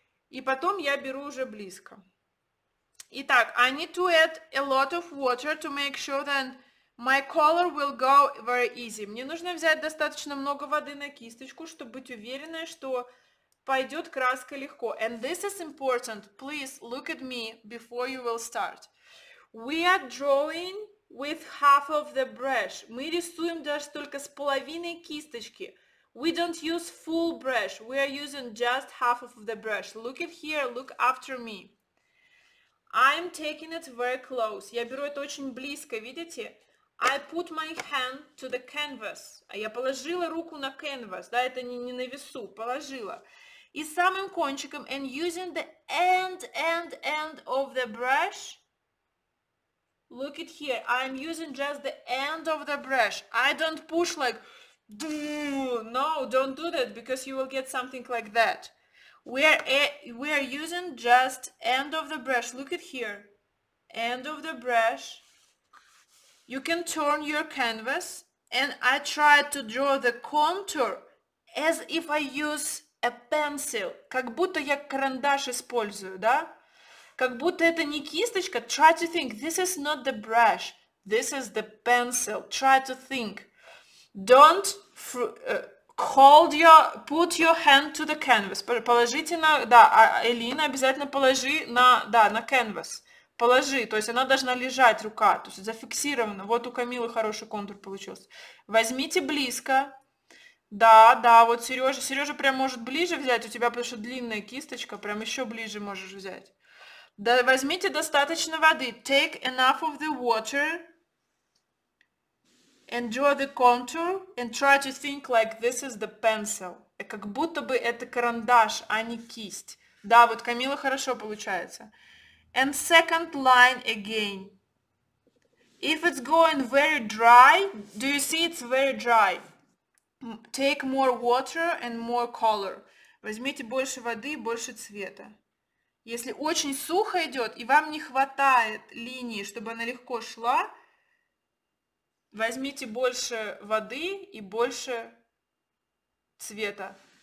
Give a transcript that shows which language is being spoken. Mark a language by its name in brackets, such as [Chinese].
[Russian] И потом я беру уже близко. Итак, [English] I need to add a lot of water to make sure that my color will go very easy. [Russian] Мне нужно взять достаточно много воды на кисточку, чтобы быть уверенной, что пойдет краска легко. [English] And this is important. Please look at me before you will start. We are drawing with half of the brush. [Russian] Мы рисуем даже только с половиной кисточки. [English] We don't use full brush. We are using just half of the brush. Look at here. Look after me. I'm taking it very close. [Russian] Я беру это очень близко, видите? [English] I put my hand to the canvas. [Russian] Я положила руку на [English] canvas. [Russian] Да, это не на весу. Положила. И самым кончиком, [English] and using the end of the brush, look at here, I'm using just the end of the brush. I don't push like, no, don't do that, because you will get something like that. We are using just end of the brush, look at here, end of the brush. You can turn your canvas, and I try to draw the contour as if I use a pencil, [Russian] как будто я карандаш использую, да? Как будто это не кисточка. [English] Try to think, this is not the brush, this is the pencil. Try to think. Don't hold your, put your hand to the canvas. [Russian] Положите на, да, Элина, обязательно положи на, да, на canvas. Положи, то есть она должна лежать, рука, то есть зафиксирована. Вот у Камилы хороший контур получился. Возьмите близко. Да, да, вот Сережа. Сережа прям может ближе взять у тебя, потому что длинная кисточка. Прям еще ближе можешь взять. Да, возьмите достаточно воды. [English] Take enough of the water. And draw the contour. And try to think like this is the pencil. [Russian] Как будто бы это карандаш, а не кисть. Да, вот Камила хорошо получается. [English] And second line again. If it's going very dry, do you see it's very dry? Take more water and more color. [Russian] Возьмите больше воды и больше цвета. Если очень сухо идет и вам не хватает линии, чтобы она легко шла, возьмите больше воды и больше цвета.